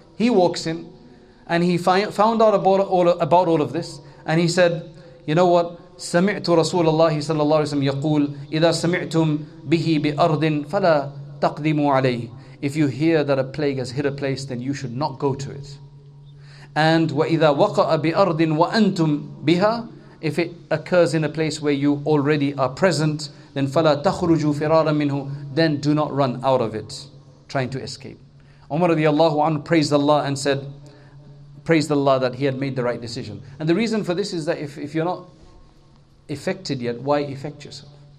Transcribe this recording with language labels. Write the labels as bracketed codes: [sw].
[en] He walks in and he found out about all of this. And he said, you know what? [ar] سَمِعْتُ رَسُولَ اللَّهِ صَلَّى اللَّهُ عَلَيْهِ وَسَلَّمْ يَقُولُ إِذَا سَمِعْتُمْ بِهِ بِأَرْضٍ فَلَا تَقْدِمُوا عَلَيْهِ. [en] If you hear that a plague has hit a place, then you should not go to it. [ar] And وَإِذَا وَقَأَ بِأَرْضٍ وَأَنْتُمْ بِهَا. [en] If it occurs in a place where you already are present, then [ar] فَلَا تَخْرُجُوا فِرَارًا مِّنْهُ. [en] Then do not run out of it, trying to escape. Umar radiallahu anhu praised Allah and said, praised Allah that he had made the right decision. And the reason for this is that if you're not affected yet, why affect yourself?